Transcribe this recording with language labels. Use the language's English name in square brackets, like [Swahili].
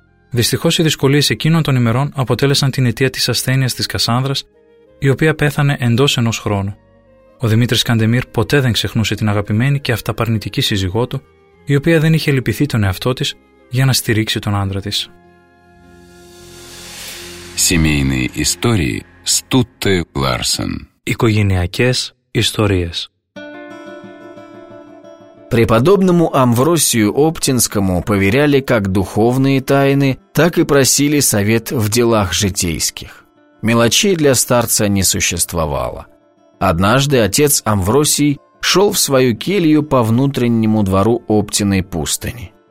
[Greek] Δυστυχώς οι δυσκολίες εκείνων των ημερών αποτέλεσαν την αιτία της ασθένειας της Κασάνδρας, η οποία πέθανε εντός ενός χρόνου. Ο Δημήτρης Καντεμίρ ποτέ δεν ξεχνούσε την αγαπημένη και αυταπαρνητική σύζυγό του, η οποία δεν είχε λυπηθεί τον εαυτό της για να στηρίξει τον άντρα της. [Russian] Семейные истории Стутте Ларсен. [Greek] Οικογενειακές ιστορίες. [Russian] Преподобному Амвросию Оптинскому поверяли как духовные тайны, так и просили совет в делах житейских. Мелочей для старца не существовало. Однажды отец Амвросий шел в свою келью по внутреннему двору Оптиной пустыни.